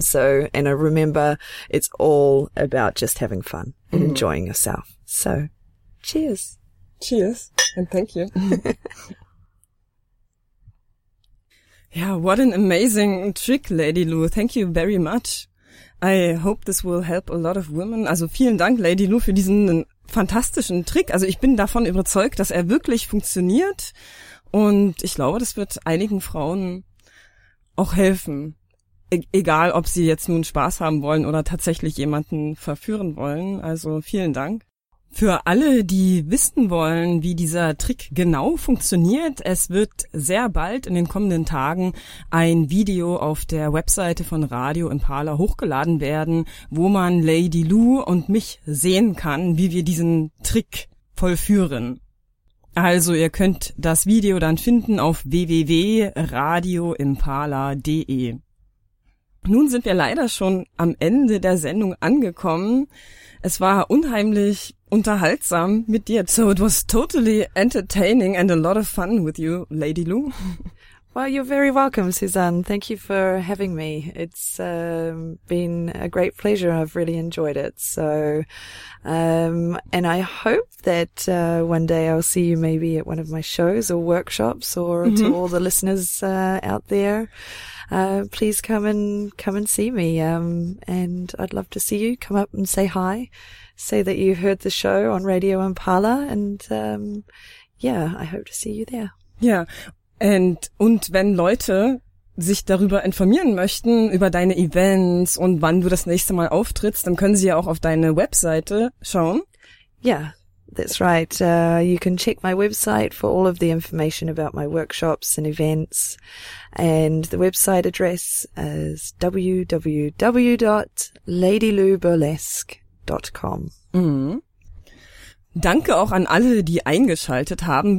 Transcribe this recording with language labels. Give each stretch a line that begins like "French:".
English: So, and I remember, it's all about just having fun mm-hmm. and enjoying yourself. So cheers. Cheers, and thank you. Yeah, what an amazing trick, Lady Lou. Thank you very much. I hope this will help a lot of women.
German: Also vielen Dank, Lady Lou, für diesen fantastischen Trick. Also ich bin davon überzeugt, dass er wirklich funktioniert. Und ich glaube, das wird einigen Frauen auch helfen. Egal, ob sie jetzt nun Spaß haben wollen oder tatsächlich jemanden verführen wollen. Also vielen Dank. Für alle, die wissen wollen, wie dieser Trick genau funktioniert, es wird sehr bald in den kommenden Tagen ein Video auf der Webseite von Radio Impala hochgeladen werden, wo man Lady Lou und mich sehen kann, wie wir diesen Trick vollführen. Also ihr könnt das Video dann finden auf www.radioimpala.de. Nun sind wir leider schon am Ende der Sendung angekommen. Es war unheimlich unterhaltsam mit dir.
English: So it was totally entertaining and a lot of fun with you, Lady Lou. Well, you're very welcome, Suzanne. Thank you for having me. It's been a great pleasure. I've really enjoyed it. So, and I hope that one day I'll see you maybe at one of my shows or workshops or mm-hmm. to all the listeners out there. Please come and see me. And I'd love to see you. Come up and say hi. Say that you heard the show on Radio Impala. And I hope to see you there. Yeah.
German: Und wenn Leute sich darüber informieren möchten, über deine Events und wann du das nächste Mal auftrittst, dann können sie ja auch auf deine Webseite schauen.
English: Yeah, that's right. You can check my website for all of the information about my workshops and events. And the website address is www.ladyluburlesque.com.
German: Mm. Danke auch an alle, die eingeschaltet haben.